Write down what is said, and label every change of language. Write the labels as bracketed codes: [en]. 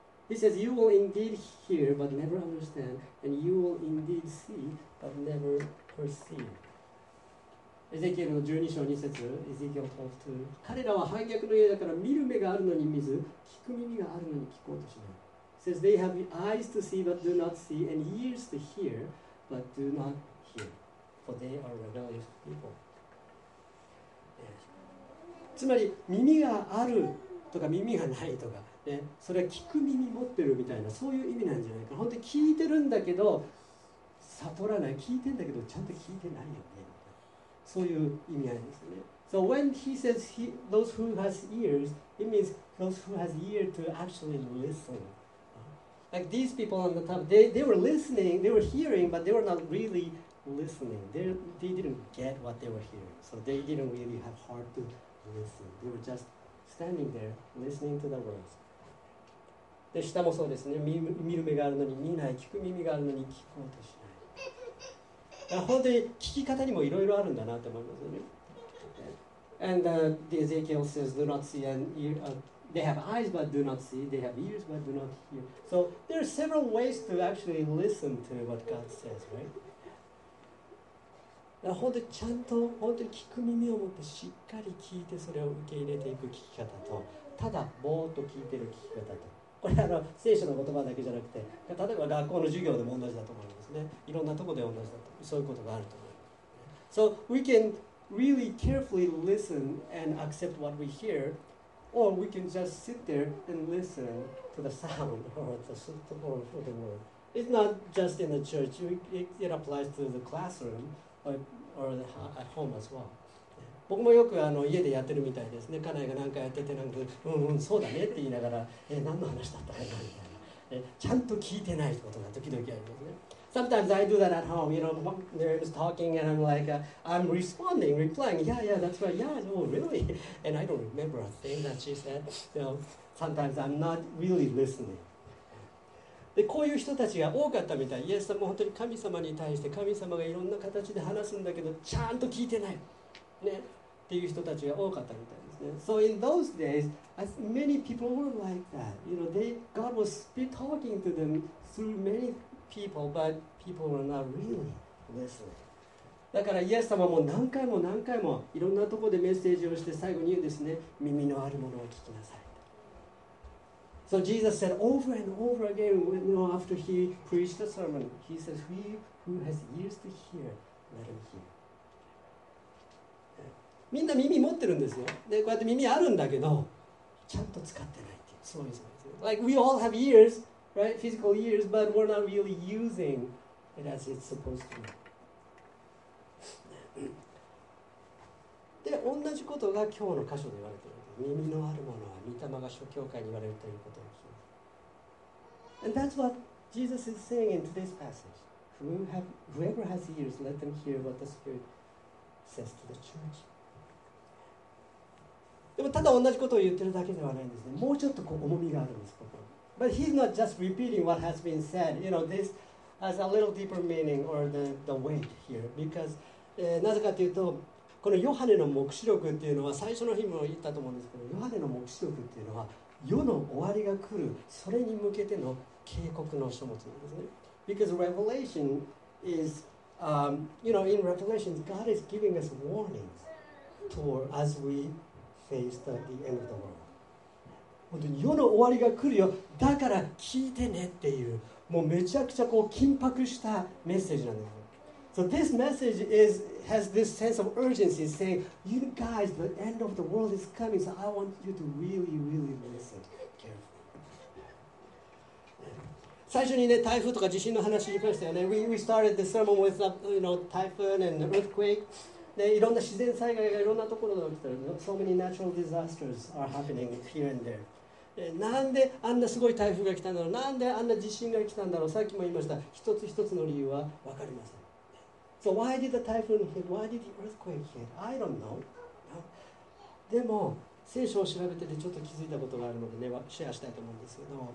[en] He says, you will indeed hear but never understand, and you will indeed see but never perceive. [ja] エゼキエルの12章2節、エゼキエル [en] talks to, [ja] 彼らは反逆の家だから見る目があるのに見ず、聞く耳があるのに聞こうとしない。 [en] He says, they have eyes to see but do not see, and ears to hear but do not hear, for they are rebellious people. [ja] つまり耳があるとか耳がないとか、ね、それは聞く耳持ってるみたいな、そういう意味なんじゃないか。本当に聞いてるんだけど悟らない、聞いてんだけどちゃんと聞いてないよね、そういう意味合いですね。 [en] So when he says he, those who has ears, it means those who has ear to actually listen. Like these people on the top, they were listening, they were hearing, but they were not really listening. They didn't get what they were hearing. So they didn't really have heart to listen. They were just standing there, listening to the words. [ja] で、下もそうですね。見る目があるのに見ない、聞く耳があるのに聞こうとしない。本当に聞き方にもいろいろあるんだなと思いますね。 [en] And the Ezekiel says, do not see and ear, they have eyes but do not see, they have ears but do not hear. So there are several ways to actually listen to what God says, right? [ja] 本当にちゃんと本当に聞く耳を持ってしっかり聞いてそれを受け入れていく聞き方と、ただぼーっと聞いてる聞き方と、これあの聖書の言葉だけじゃなくて、例えば学校の授業でも同じだと思いますね。いろんなところで同じだと、そういうことがあると思います。 [en] So we can really carefully listen and accept what we hear, or we can just sit there and listen to the sound or the support for the word. It's not just in the church, it applies to the classroomor at home as well. [ja] 僕もよくあの家でやってるみたいですね。家内が何かやっててなんかうんうんそうだねって言いながら、え、何の話だったかなみたいな、ちゃんと聞いてないってことが時々ありますね。 [en] Sometimes I do that at home. You know, there is talking and I'm like, I'm responding, replying. Yeah, yeah, that's right. Yeah, oh, really? And I don't remember a thing that she said. So sometimes I'm not really listening. [ja] でこういう人たちが多かったみたい。イエス様も本当に神様に対して神様がいろんな形で話すんだけどちゃんと聞いてない、ね、っていう人たちが多かったみたいですね。 [en] So in those days, as many people were like that. You know, God was talking to them through many people, but people were not really listening. [ja] だからイエス様も何回も何回もいろんなところでメッセージをして最後に言うんですね。耳のあるものを聞きなさい。 [en] So Jesus said over and over again, you know, after he preached the sermon, he says, he who has ears to hear, let him hear. [ja] みんな耳持ってるんですよ。で、こうやって耳あるんだけど、ちゃんと使ってないっていう。そうですね。 [en] Like we all have ears, right? Physical ears, but we're not really using it as it's supposed to be. [ja] で、同じことが今日の箇所で言われてる。耳のあるものは御霊が諸教会に言われるということです。 [en] And that's what Jesus is saying in today's passage. Whoever has ears, let them hear what the Spirit says to the church. [ja] でもただ同じことを言ってるだけではないんですね。もうちょっとこう重みがあるんですここ。 [en] But he's not just repeating what has been said. You know, this has a little deeper meaning or the weight here. Because、 [ja] なぜかというと、このヨハネの黙示録っていうのは最初の日も言ったと思うんですけど、ヨハネの黙示録っていうのは世の終わりが来るそれに向けての警告の書物なんですね。 [en] Because Revelation is、you know, in Revelation God is giving us warnings toward as we face the end of the world. [ja] 本当に世の終わりが来るよ、だから聞いてねっていう、もうめちゃくちゃこう緊迫したメッセージなんです。 [en] So this message is, has this sense of urgency saying, you guys, the end of the world is coming, so I want you to really, really listen carefully. [ja] 最初にね、台風とか地震の話しましたよね。 [en] We started the sermon with, you know, typhoon and earthquake. [ja] で、いろんな自然災害がいろんなところで起きてる。 [en] So many natural disasters are happening here and there. [ja] なんであんなすごい台風が来たんだろう。なんであんな地震が来たんだろう。さっきも言いました。一つ一つの理由は分かりません。 [en] So why did the typhoon hit? Why did the earthquake hit? I don't know. [ja] でも聖書を調べててちょっと気づいたことがあるのでね、シェアしたいと思うんですけど。